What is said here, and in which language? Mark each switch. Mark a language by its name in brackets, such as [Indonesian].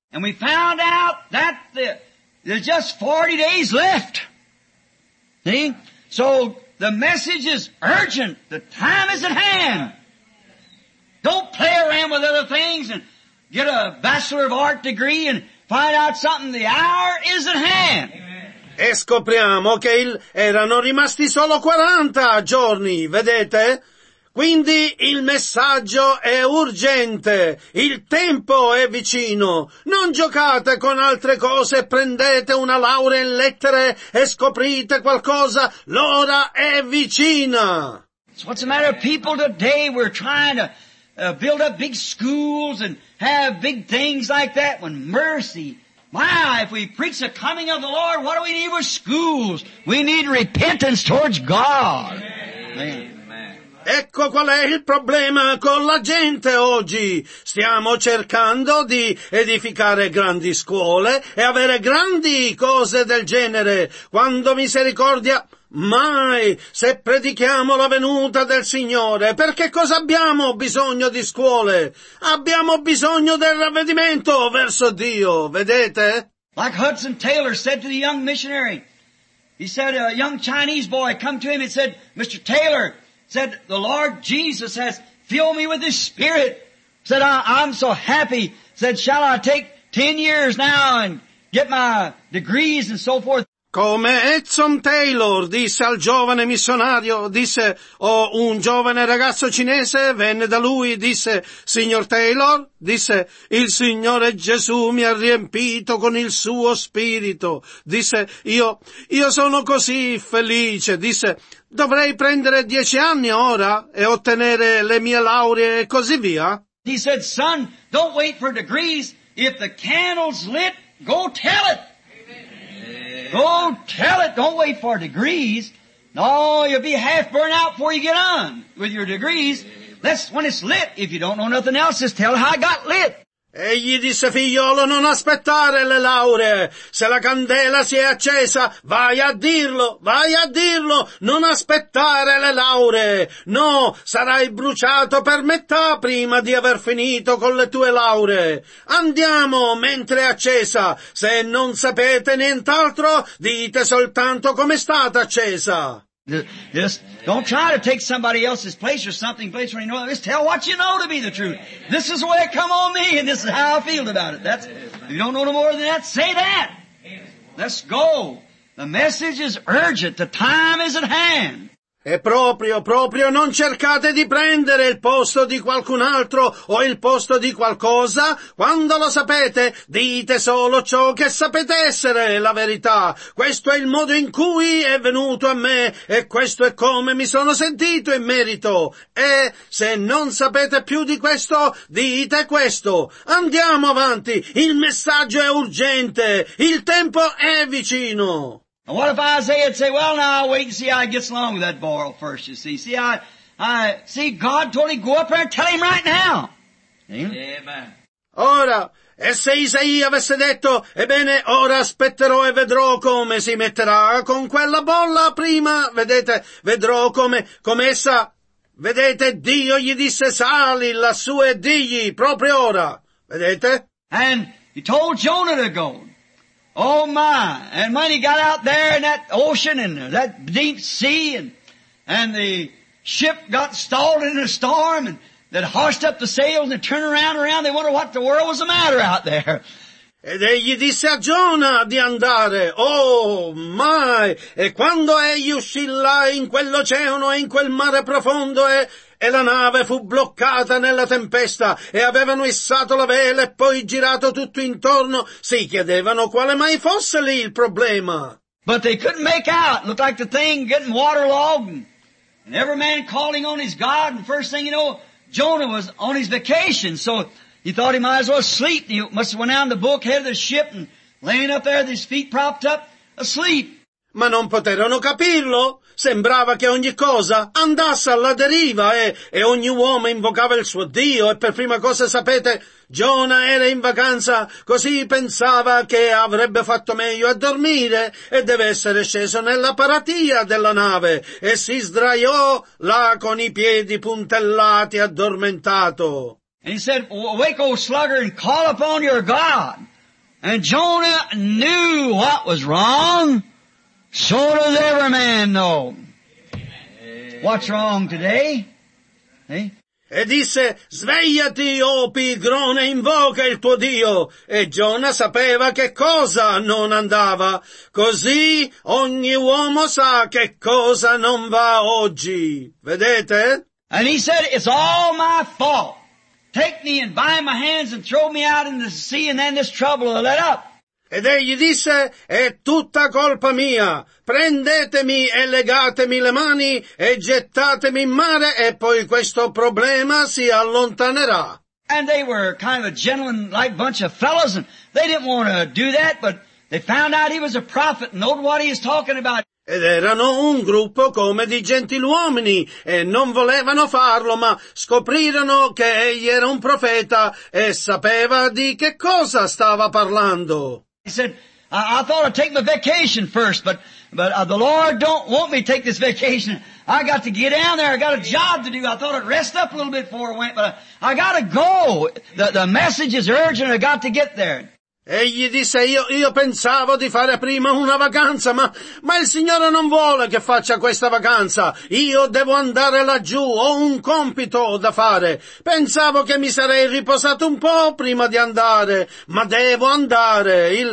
[English] And we found out that there's just 40 days left. See? So the message is urgent. The time is at hand. Don't play around with other things and get a Bachelor of Art degree and find out something. The hour is at hand. [Italian] E scopriamo che erano rimasti solo 40 giorni, vedete? Quindi il messaggio è urgente. Il tempo è vicino. Non giocate con altre cose. Prendete una laurea in lettere e scoprite qualcosa. L'ora è vicina. [English] So what's the matter of people today? We're trying to build up big schools and have big things like that, when mercy, my, if we preach the coming of the Lord, what do we need with schools? We need repentance towards God. Amen. Amen. [Italian] Ecco qual è il problema con la gente oggi. Stiamo cercando di edificare grandi scuole e avere grandi cose del genere, quando misericordia mai, se predichiamo la venuta del Signore. Perché cosa abbiamo bisogno di scuole? Abbiamo bisogno del ravvedimento verso Dio, vedete? [English] Like Hudson Taylor said to the young missionary, he said, a young Chinese boy come to him and said, Mr. Taylor, said, the Lord Jesus has filled me with His Spirit. Said, I'm so happy. Said, shall I take 10 years now and get my degrees and so forth? [Italian] Come Hudson Taylor disse al giovane missionario, disse, un giovane ragazzo cinese venne da lui, disse, signor Taylor, disse, il Signore Gesù mi ha riempito con il suo spirito, disse, io sono così felice, disse, dovrei prendere 10 anni ora e ottenere le mie lauree e così via. [English] He said, son, don't wait for degrees, if the candle's lit, go tell it. Go tell it, don't wait for degrees. No, you'll be half burnt out before you get on with your degrees. That's when it's lit. If you don't know nothing else, just tell how I got lit. [Italian] Egli disse, figliolo, non aspettare le lauree. Se la candela si è accesa, vai a dirlo, non aspettare le lauree. No, sarai bruciato per metà prima di aver finito con le tue lauree. Andiamo mentre è accesa. Se non sapete nient'altro, dite soltanto come è stata accesa. [English] Just don't try to take somebody else's place or something, place where you know. Just tell what you know to be the truth. This is the way it come on me, and this is how I feel about it. That's, if you don't know no more than that, say that. Let's go. The message is urgent. The time is at hand. [Italian] E proprio, non cercate di prendere il posto di qualcun altro o il posto di qualcosa. Quando lo sapete, dite solo ciò che sapete essere la verità. Questo è il modo in cui è venuto a me e questo è come mi sono sentito in merito. E se non sapete più di questo, dite questo. Andiamo avanti, il messaggio è urgente, il tempo è vicino. [English] And what if Isaiah would say, well, now I'll wait and see how it gets along with that boil first, you see. See, see, God told him, go up there and tell him right now. Amen. [Italian] Ora, e se Isaia avesse detto, ebbene, ora aspetterò e vedrò come si metterà con quella bolla prima, vedete, vedrò come essa, vedete, Dio gli disse, sali lassù e digli, proprio ora, vedete. [English] And he told Jonah to go. Oh my, and when he got out there in that ocean and that deep sea and the ship got stalled in a storm and they hoisted up the sails and turned around, they wondered what the world was the matter out there. [Italian] Ed egli disse a Giona di andare, [English] oh my, [Italian] e quando egli uscì là in quell'oceano e in quel mare profondo e la nave fu bloccata nella tempesta e avevano issato la vela e poi girato tutto intorno, si chiedevano quale mai fosse lì il problema. [English] But they couldn't make out. It looked like the thing getting waterlogged. And every man calling on his God. And first thing you know, Jonah was on his vacation. So he thought he might as well sleep. He must have went down the bulkhead of the ship and laying up there with his feet propped up, asleep. [Italian] Ma non poterono capirlo. Sembrava che ogni cosa andasse alla deriva e ogni uomo invocava il suo Dio. E per prima cosa, sapete, Giona era in vacanza, così pensava che avrebbe fatto meglio a dormire e deve essere sceso nella paratia della nave e si sdraiò là con i piedi puntellati addormentato. [English] And he said, "Awake, old slugger, and call upon your God." And Jonah knew what was wrong. So does every man know what's wrong today. Eh? [Italian] E disse, svegliati, o pigrone, invoca il tuo Dio. E Giona sapeva che cosa non andava. Così ogni uomo sa che cosa non va oggi. Vedete? [English] And he said, it's all my fault. Take me and bind my hands and throw me out in the sea and then this trouble will let up. [Italian] Ed egli disse, è tutta colpa mia, prendetemi e legatemi le mani e gettatemi in mare e poi questo problema si allontanerà. [English] And they were kind of a gentleman like bunch of fellows and they didn't want to do that, but they found out he was a prophet and knowed what he was talking about. [Italian] Ed erano un gruppo come di gentiluomini e non volevano farlo, ma scoprirono che egli era un profeta e sapeva di che cosa stava parlando. [English] He said, I thought I'd take my vacation first, but the Lord don't want me to take this vacation. I got to get down there. I got a job to do. I thought I'd rest up a little bit before I went, but I got to go. The message is urgent. I got to get there. [Italian] Egli disse, io pensavo di fare prima una vacanza, ma il Signore non vuole che faccia questa vacanza. Io devo andare laggiù, ho un compito da fare. Pensavo che mi sarei riposato un po' prima di andare, ma devo andare.